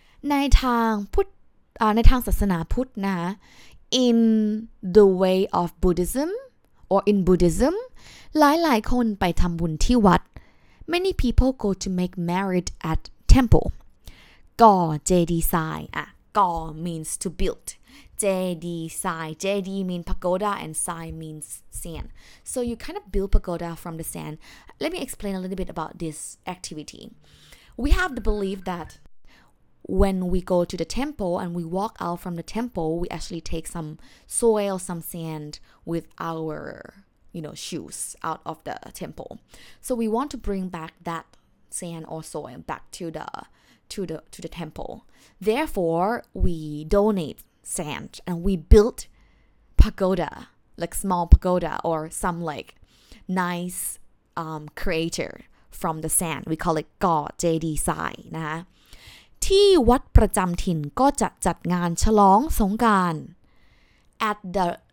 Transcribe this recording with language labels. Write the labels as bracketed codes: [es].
[th] ในทางพุทธในทางศาสนาพุทธนะฮะ [en] In the way of Buddhism, or in Buddhism, [th] หลายหลายคนไปทำบุญที่วัด [en] Many people go to make merit at temple. [th] ก่อเจดีย์ทรายอะ [en] ก่อ means to build. เจดีย์ทรายเจดีย์ mean pagoda and sai means sand. So you kind of build pagoda from the sand. Let me explain a little bit about this activity. We have the belief that when we go to the temple and we walk out from the temple, we actually take some soil, some sand with our... you know, shoes out of the temple. So we want to bring back that sand or soil back to the temple. Therefore, we donate sand and we build pagoda, like small pagoda or some like nice crater from the sand. We call it [th] ก่อเจดีย์ทรายนะฮะที่วัดประจำถิ่นก็จะจัดงานฉลองสงกรานต์ [en] at the